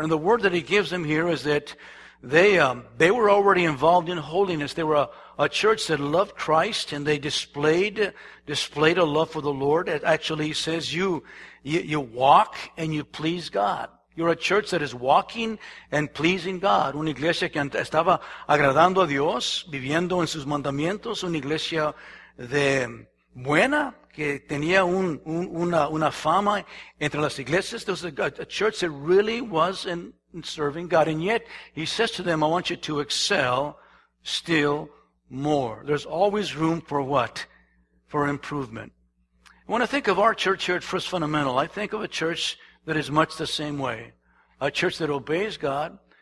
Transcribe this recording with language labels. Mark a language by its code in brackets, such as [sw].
[en] And the word that he gives them here is that they were already involved in holiness. They were a church that loved Christ, and they displayed a love for the Lord. It actually says you walk and you please God. You're a church that is walking and pleasing God. [es] Una iglesia que estaba agradando a Dios, viviendo en sus mandamientos. Una iglesia de buena, que tenía una fama entre las iglesias. [en] There was a church that really was in serving God. And yet, he says to them, I want you to excel still more. There's always room for what? For improvement. When I think of our church here at First Fundamental, I think of a church that is much the same way. A church that obeys God